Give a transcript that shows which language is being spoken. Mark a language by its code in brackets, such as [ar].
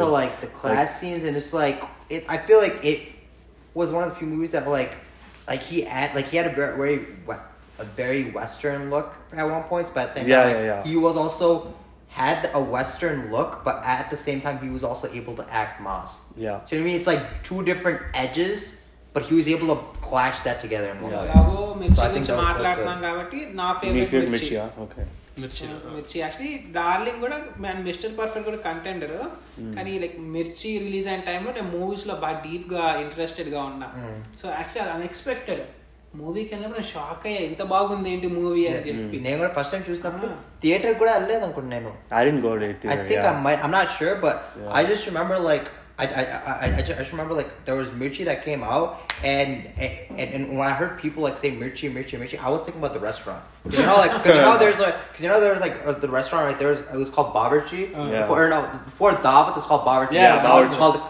[en] So, like, the class scenes and it's, like, I feel like it was one of the few movies that, like, he had a very Western look at one point, but at the same time, he was also had a Western look, but at the same time he was also able to act Maz. Yeah. So you know what I mean? It's like two different edges, but he was able to clash that together in one way. Yeah. So I think that was quite good. My favorite Mirchi. Okay. [te] మిర్చి actually darling కూడా mister perfect కూడా contender కానీ like మిర్చి release అయిన టైంలో నేను movies లో బాగా డీప్ గా ఇంట్రెస్టెడ్ గా ఉన్నా సో యాక్చువల్ అన్ఎక్స్పెక్టెడ్ మూవీకి వెళ్ళినప్పుడు నేను షాక్ అయ్యా ఇంత బాగుంది ఏంటి మూవీ అని చెప్పి నేను కూడా ఫస్ట్ టైం చూసినప్పుడు థియేటర్ కూడా వెళ్ళలేదు అనుకుంటున్నాను [en] I didn't go to theatre I think I am not sure but I just remember like I just remember like there was Mirchi that came out and when I heard people like say Mirchi, I was thinking about the restaurant. You know, like, cause you know there's like, cause you know there's like the restaurant right there was, it was called Babarchi. Before Davut, it was called Babarchi.